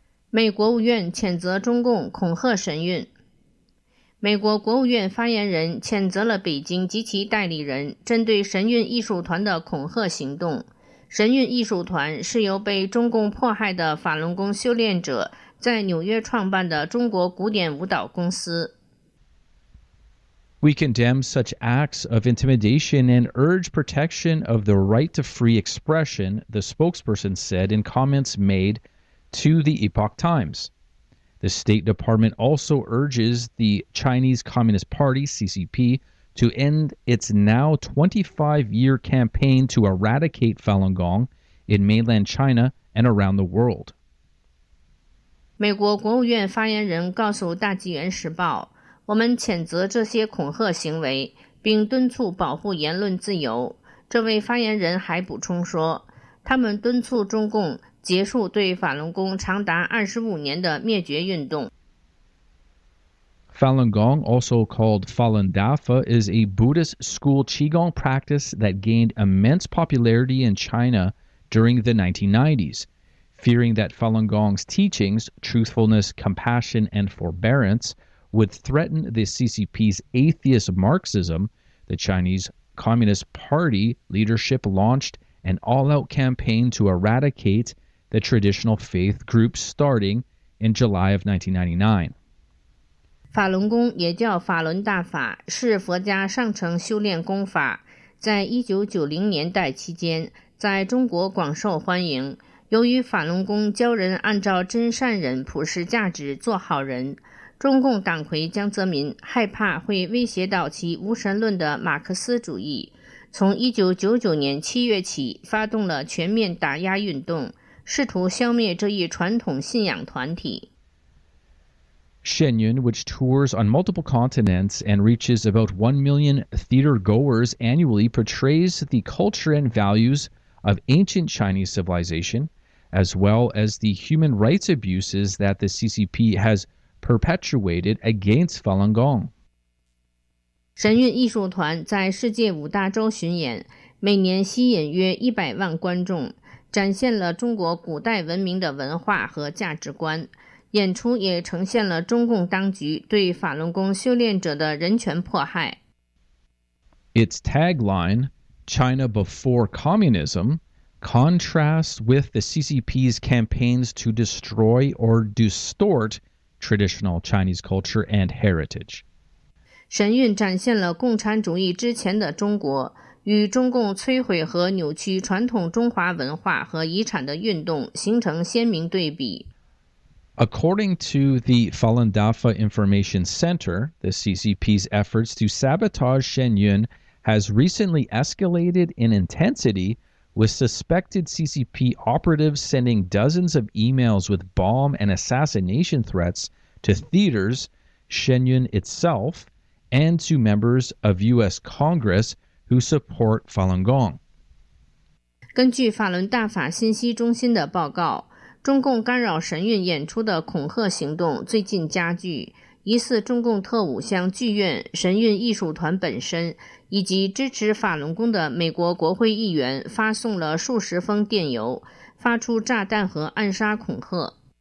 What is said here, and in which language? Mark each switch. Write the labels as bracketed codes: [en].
[zh] 美国务院谴责中共恐吓神韵。美国国务院发言人谴责了北京及其代理人针对神韵艺术团的恐吓行动。神韵艺术团是由被中共迫害的法轮功修炼者在纽约创办的中国古典舞蹈公司。 [en] We condemn such acts of intimidation and urge protection of the right to free expression, the spokesperson said in comments made. To the Epoch Times. The State Department also urges the Chinese Communist Party, CCP, to end its now 25-year campaign to eradicate Falun Gong in mainland China and around the world. [zh] 美国国务院发言人告诉大纪元时报，我们谴责这些恐吓行为，并敦促保护言论自由。这位发言人还补充说，他们敦促中共结束对法轮功长达25年的灭绝运动。 [en] Falun Gong, also called Falun Dafa, is a Buddhist school qigong practice that gained immense popularity in China during the 1990s. Fearing that Falun Gong's teachings, truthfulness, compassion, and forbearance, would threaten the CCP's atheist Marxism, the Chinese Communist Party leadership launched an all-out campaign to eradicate. The traditional faith group starting in July of 1999. [zh] 法轮功也叫法轮大法，是佛家上乘修炼功法，在1990年代期间在中国广受欢迎。由于法轮功教人按照真善人普世价值做好人，中共党魁江泽民害怕会威胁到其无神论的马克思主义，从1999年7月起发动了全面打压运动。试图消灭这一传统信仰团体。 [en] Shen Yun, which tours on multiple continents and reaches about 1 million theater goers annually, portrays the culture and values of ancient Chinese civilization, as well as the human rights abuses that the CCP has perpetuated against Falun Gong. [zh] Shen Yun 艺术团在世界五大洲巡演，每年吸引约100万观众。展现了中国古代文明的文化和价值观，演出也呈现了中共当局对法轮功修炼者的人权迫害。 [en] Its tagline, China before communism, contrasts with the CCP's campaigns to destroy or distort traditional Chinese culture and heritage. [zh] 神韵展现了共产主义之前的中国。与中共摧毁和扭曲传统中华文化和遗产的运动形成鲜明对比。 [en] According to the Falun Dafa Information Center, the CCP's efforts to sabotage Shen Yun has recently escalated in intensity, with suspected CCP operatives sending dozens of emails with bomb and assassination threats to theaters, Shen Yun itself, and to members of U.S. Congress,who support Falun Gong. [zh] 根据法轮大法信息中心的报告，中共干扰神韵演出的恐吓行动最近加剧，疑似中共特务向剧院、神韵艺术团本身以及支持法轮功的美国国会议员发送了数十封电邮，发出炸弹和暗杀恐吓。